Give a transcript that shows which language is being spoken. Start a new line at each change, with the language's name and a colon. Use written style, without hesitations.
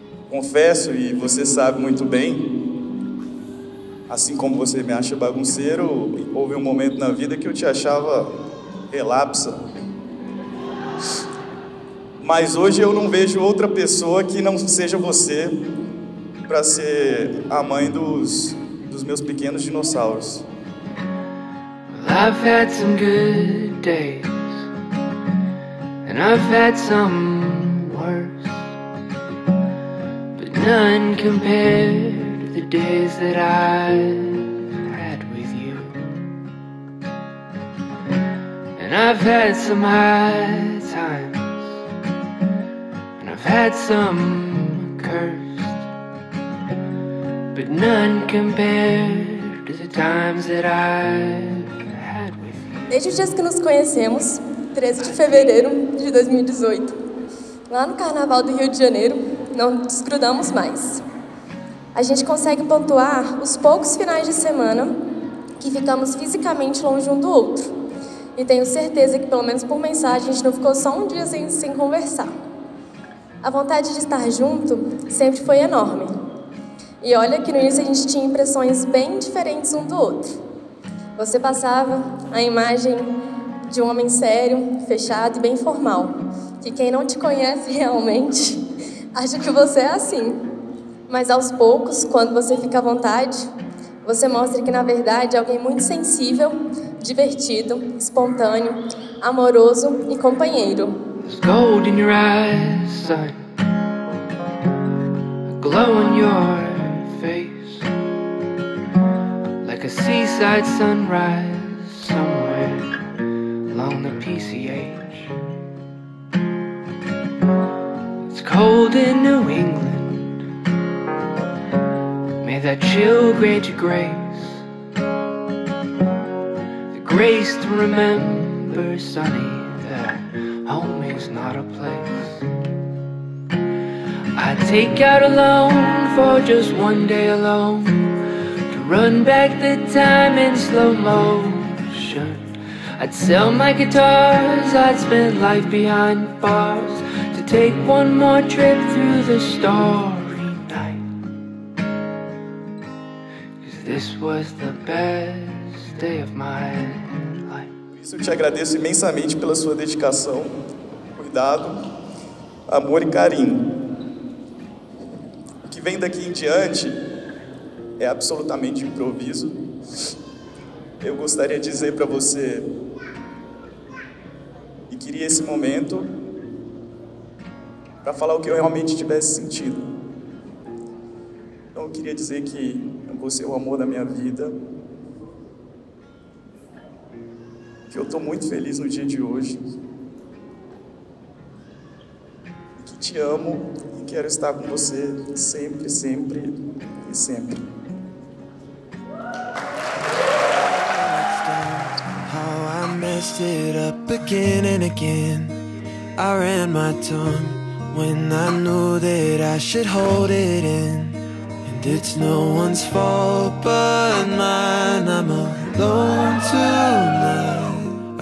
Portuguese: Confesso, e você sabe muito bem, assim como você me acha bagunceiro, houve um momento na vida que eu te achava relapsa. Mas hoje eu não vejo outra pessoa que não seja você para ser a mãe dos meus pequenos dinossauros.
English: I've had some good days, and I've had some worse, but none compared to the days that I've had with you. And I've had some high times, and I've had some cursed, but none compared to the times that I've.
Portuguese: Desde os dias que nos conhecemos, 13 de fevereiro de 2018, lá no Carnaval do Rio de Janeiro, não desgrudamos mais. A gente consegue pontuar os poucos finais de semana que ficamos fisicamente longe um do outro. E tenho certeza que, pelo menos por mensagem, a gente não ficou só um dia sem conversar. A vontade de estar junto sempre foi enorme. E olha que no início a gente tinha impressões bem diferentes um do outro. Você passava a imagem de um homem sério, fechado e bem formal. Que quem não te conhece realmente, acha que você é assim. Mas aos poucos, quando você fica à vontade, você mostra que na verdade é alguém muito sensível, divertido, espontâneo, amoroso e companheiro.
English: There's gold in your eyes, sign. A glow on your face. Like a seaside sunrise somewhere along the PCH. It's cold in New England. May that chill grant you grace, the grace to remember, sunny, that home is not a place. I take out a loan for just one day alone. Run back the time in slow motion. I'd sell my guitars, I'd spend life behind bars to take one more trip through the starry night. 'Cause this was the best day of my life.
Portuguese: Eu te agradeço imensamente pela sua dedicação, cuidado, amor e carinho. O que vem daqui em diante é absolutamente improviso. Eu gostaria de dizer para você e queria esse momento para falar o que eu realmente tivesse sentido. Então eu queria dizer que você é o amor da minha vida, que eu estou muito feliz no dia de hoje, que te amo e quero estar com você sempre, sempre e sempre.
English: Messed it up again and again. I ran my tongue when I knew that I should hold it in. And it's no one's fault but mine. I'm alone tonight.